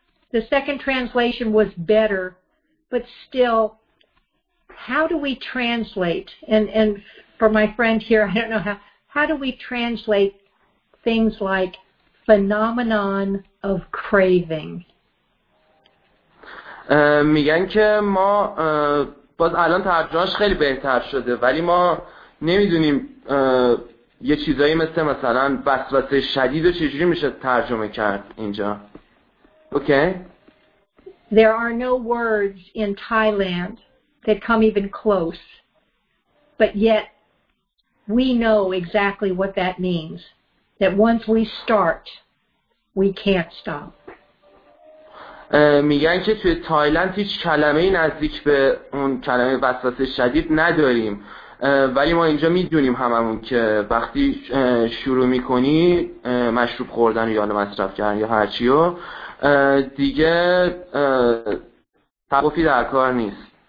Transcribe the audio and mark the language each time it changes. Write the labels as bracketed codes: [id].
[en] The second translation was better, but still, how do we translate? And for my friend here, I don't know how do we translate things like phenomenon of craving? [fa] میگن که ما باز الان ترجمهش خیلی بهتر شده ولی ما نمیدونیم یه چیزایی مثلا وسوسه شدید رو چجوری میشه ترجمه کرد اینجا. [en] Okay. There are no words in Thailand that come even close, but yet we know exactly what that means, that once we start we can't stop. [fa] میگن که توی تایلند هیچ کلمه نزدیک به اون کلمه وسواس شدید نداریم ولی ما اینجا میدونیم هممون که وقتی شروع میکنی مشروب خوردن یا مصرف کردن یا هرچیو دیگه توقفی در کار نیست.